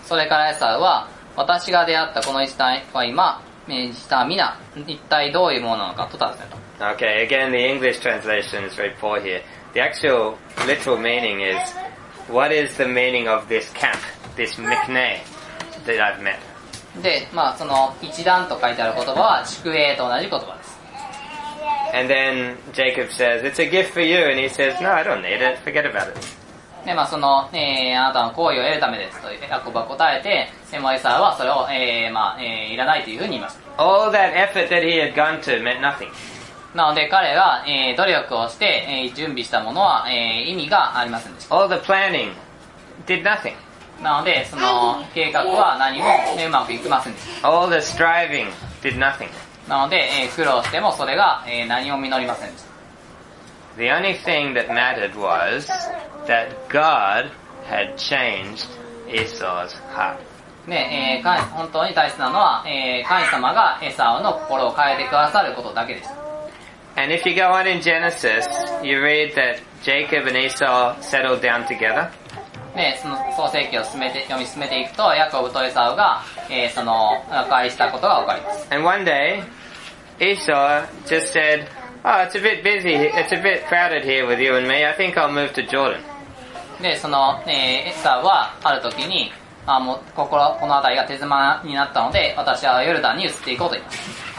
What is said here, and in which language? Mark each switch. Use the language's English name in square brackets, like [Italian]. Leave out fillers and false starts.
[Japanese] それからエサウは、私が出会ったこの一帯は今命じた皆、一体どういうものなのかと尋ねた。 [English] Okay, again, the English translation is very poor here. The actual literal meaning is, what is the meaning of this camp, this mikneh that I've met? [Japanese] で、まあ、その一段と書いてある言葉は宿営と同じ言葉です。 [English] And then Jacob says, it's a gift for you. And he says, no, I don't need it. Forget about it. [Japanese] で、まあ、その、あなたの好意を得るためですと、ヤコブは答えて、エサーはそれを、まあ、いらないというふうに言いました。 [English] All that effort that he had gone to meant nothing. [Japanese] なので彼が、努力をして、準備したものは、意味がありませんでした。 [English] All the planning did nothing. [Japanese] なのでその計画は何も、ね、うまくいきませんでした。 [English] All the striving did nothing. [Japanese] なので、苦労してもそれが、何も実りませんでした。 [English] The only thing that mattered was that God had changed Esau's heart. [Japanese] ねえー、本当に大切なのは、神様がエサウの心を変えてくださることだけでした。 [English] And if you go on in Genesis, you read that Jacob and Esau settled down together. [Japanese] ね、その創世記を読み進めていくと、ヤコブとエサウが、その和解したことがわかります。 [English] And one day, Esau just said, "Oh, it's a bit busy. It's a bit crowded here with you and me. I think I'll move to Jordan." [Japanese] で、その、エサウはある時に、あ、もう心この辺りが手詰まになったので、私はヨルダンに移っていこうと言います。